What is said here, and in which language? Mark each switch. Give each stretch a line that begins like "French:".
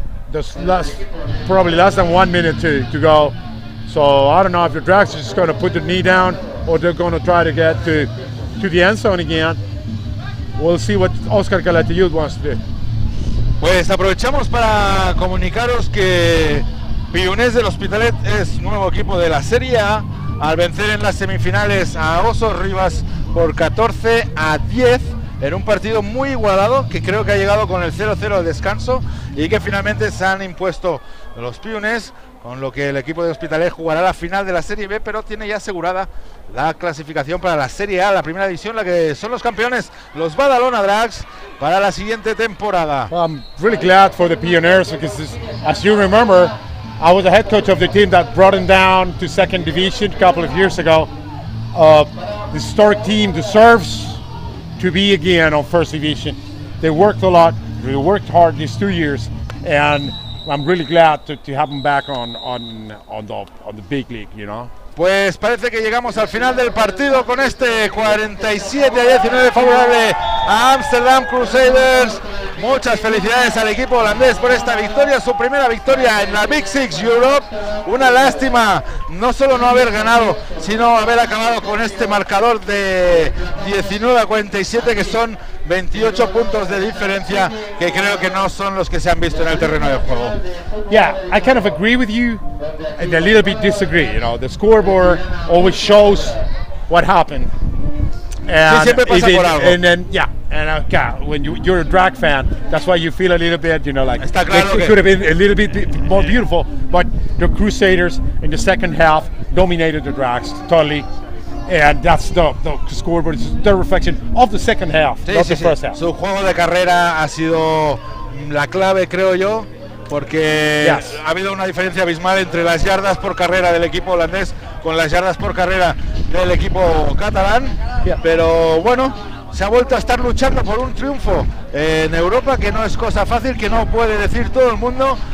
English: There's probably less than 1 minute to go. So I don't know if the Drax is just going to put the knee down or they're going to try to get to the end zone again. We'll see what Oscar Calatayud wants to do.
Spanish: Pues aprovechamos para comunicaros que Pionés del Hospitalet es nuevo equipo de la Serie A al vencer en las semifinales a Osos Rivas por 14 a 10 en un partido muy igualado que creo que ha llegado con el 0-0 al descanso y que finalmente se han impuesto los Piunes, con lo que el equipo de Hospitalet jugará la final de la Serie B, pero tiene ya asegurada la clasificación para la Serie A, la primera división, la que son los campeones, los Badalona Drags, para la siguiente temporada.
English: Well, I'm really glad for the Pioneers because, as you remember, I was the head coach of the team that brought them down to second division a couple of years ago. The historic team deserves to be again on first division. They worked a lot, they worked hard these 2 years, and I'm really glad to have them back on the big league, you know.
Spanish: Pues parece que llegamos al final del partido con este 47 a 19 favorable a Amsterdam Crusaders. Muchas felicidades al equipo holandés por esta victoria, su primera victoria en la Big Six Europe. Una lástima no solo no haber ganado, sino haber acabado con este marcador de 19 a 47, que son 28 puntos de diferencia, que creo que no son los que se han visto en el terreno de juego.
English: Yeah, I kind of agree with you and a little bit disagree, you know. The scoreboard always shows what happened.
Spanish: And sí, siempre pasa por algo.
English: And then, yeah. And when you're a drag fan, that's why you feel a little bit, you know, like
Spanish: claro
English: it could have been a little bit more beautiful. But the Crusaders in the second half dominated the drags totally. And that's the scoreboard, the reflection of the second half,
Spanish: sí,
English: not
Spanish: sí,
English: the
Spanish: sí.
English: first half.
Spanish: Su juego de carrera ha sido la clave, creo yo. Porque
English: yes.
Spanish: ha habido una diferencia abismal entre las yardas por carrera del equipo holandés con las yardas por carrera del equipo catalán.
English: Yeah.
Spanish: Pero bueno, se ha vuelto a estar luchando por un triunfo en Europa, que no es cosa fácil, que no puede decir todo el mundo.